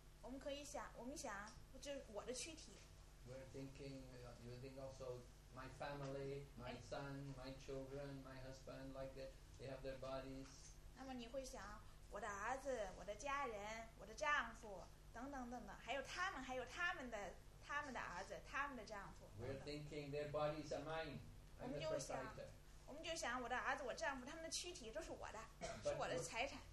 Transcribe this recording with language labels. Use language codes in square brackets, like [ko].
[zh] 我们可以想，我们想，这是我的躯体。 [en] We're thinking, you think also my family, my son, my children, my husband, like that, they have their bodies. [zh] 那么你会想，我的儿子，我的家人，我的丈夫，等等等等，还有他们，还有他们的。他们的儿子，他们的丈夫。 [en] We're thinking their bodies are mine. I'm the proprietor. [zh] 我们就想，我的儿子，我丈夫，他们的躯体都是我的，是我的财产。